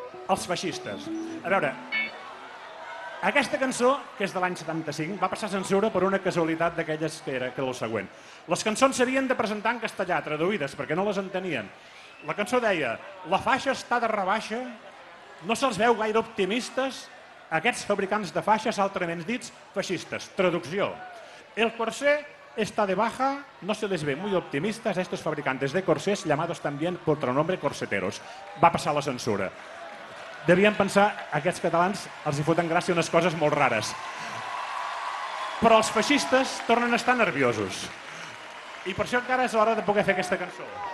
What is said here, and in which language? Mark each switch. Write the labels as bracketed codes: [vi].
[ca] Els feixistes. A veure, aquesta cançó, que és de l'any 75, va passar censura per una casualitat d'aquelles que era el següent. Les cançons s'havien de presentar en castellà, traduïdes, perquè no les entenien. La cançó deia, la faixa està de rebaixa, no se'ls veu gaire optimistes, aquests fabricants de faixes, altrament dits, feixistes. Traducció. [es] El corsé está de baja, no se les ve muy optimistas a estos fabricantes de corsés, llamados también por otro nombre corseteros. [ca] Va passar la censura. Devien pensar, aquests catalans els hi foten gràcia unes coses molt rares. Però els feixistes tornen a estar nerviosos. I per això encara és hora de poder fer aquesta cançó.